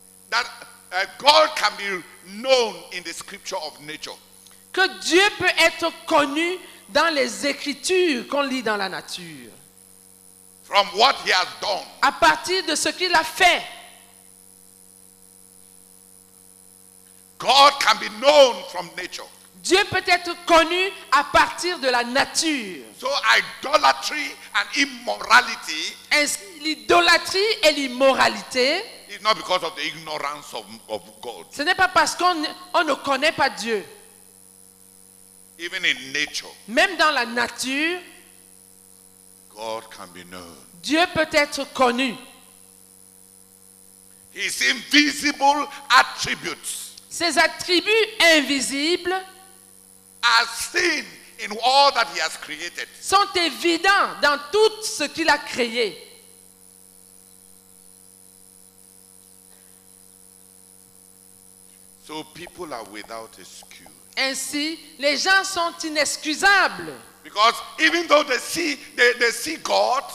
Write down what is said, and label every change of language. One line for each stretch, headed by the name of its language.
English: that God can be known in the scripture of nature.
French: Que Dieu peut être connu dans les écritures qu'on lit dans la nature.
English: From what he has done.
French: À partir de ce qu'il a fait.
English: God can be known from nature.
French: Dieu peut être connu à partir de la nature.
English: So idolatry and immorality.
French: Ainsi, l'idolatrie et l'immoralité.
English: It's not because of the ignorance of God.
French: Ce n'est pas parce qu'on ne connaît pas Dieu.
English: Even in nature.
French: Même dans la nature.
English: God can be known.
French: Dieu peut être connu.
English: His invisible attributes.
French: Ses attributs invisibles
English: are seen in all that he has created.
French: Sont évidents dans tout ce qu'il a créé.
English: So people are without excuse.
French: Ainsi, les gens sont inexcusables.
English: Because even though they see God,